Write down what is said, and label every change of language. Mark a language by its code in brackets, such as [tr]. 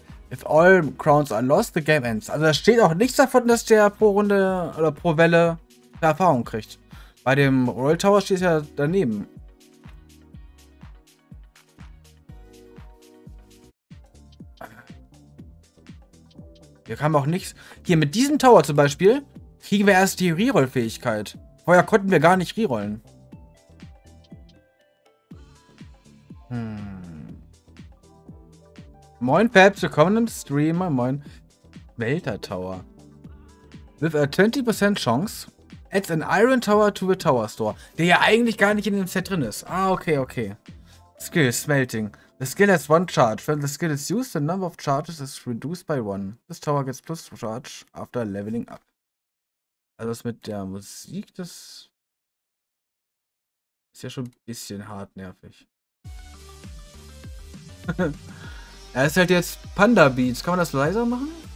[en] If all crowns are lost, the game ends. [de] Also da steht auch nichts davon, dass der pro Runde oder pro Welle Erfahrung kriegt. Bei dem Royal Tower steht es ja daneben. Hier kam auch nichts. Hier mit diesem Tower zum Beispiel kriegen wir erst die Reroll-Fähigkeit. Vorher konnten wir gar nicht rerollen. Moin, Peps, willkommen im Stream. Moin. Welter Tower. [en] With a 20% Chance, adds an Iron Tower to the Tower Store. [de] Der ja eigentlich gar nicht in dem Set drin ist. Ah, okay, okay. Skill, Smelting. [en] The skill has one charge. When the skill is used, the number of charges is reduced by one. This tower gets plus charge after leveling up. [de] Also, das mit der Musik, das ist ja schon ein bisschen hart nervig. Er ist halt jetzt Panda Beats. Kann man das leiser machen?